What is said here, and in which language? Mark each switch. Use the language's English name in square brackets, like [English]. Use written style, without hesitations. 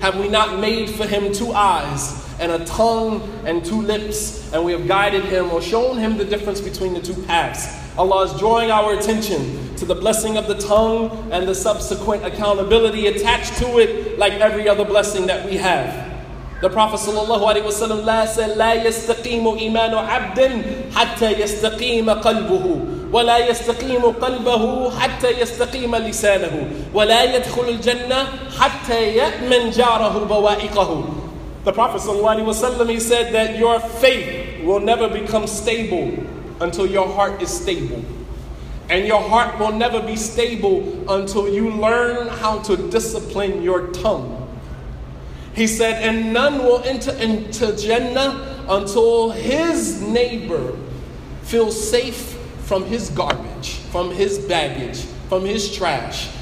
[English] Have we not made for him 2 eyes and a tongue and 2 lips, and we have guided him or shown him the difference between the 2 paths? Allah is drawing our attention to the blessing of the tongue and the subsequent accountability attached to it, like every other blessing that we have. The Prophet sallallahu alaihi wasallam said, [Arabic] لا يستقيم إيمان عبد حتى يستقيم قلبه ولا يستقيم قلبه حتى يستقيم لسانه ولا يدخل الجنة حتى يأمن جاره بوائقه. [English] The Prophet sallallahu alaihi wasallam, he said that your faith will never become stable until your heart is stable. And your heart will never be stable until you learn how to discipline your tongue. He said, and none will enter into Jannah until his neighbor feels safe from his garbage, from his baggage, from his trash.